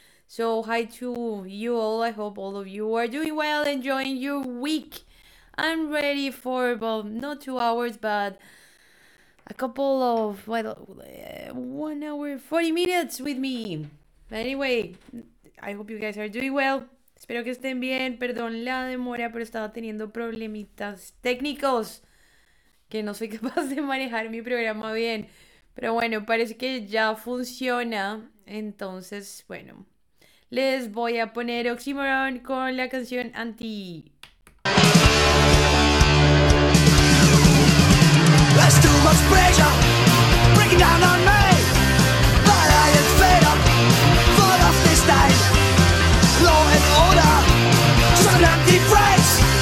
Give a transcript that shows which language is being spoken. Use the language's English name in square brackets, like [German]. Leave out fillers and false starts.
[English] So hi to you all. I hope all of you are doing well, enjoying your week. I'm ready for, well, not 2 hours, but a couple of, well, 1 hour, 40 minutes with me. But anyway, I hope you guys are doing well. [Spanish] Espero que estén bien. Perdón la demora, pero estaba teniendo problemitas técnicos que no soy capaz de manejar mi programa bien. Pero bueno, parece que ya funciona. Entonces, bueno. Les voy a poner Oxymoron con la canción Anti. [English] There's too much pressure breaking down on me, but I am fed up, full of this time. Law and order, just an empty phrase.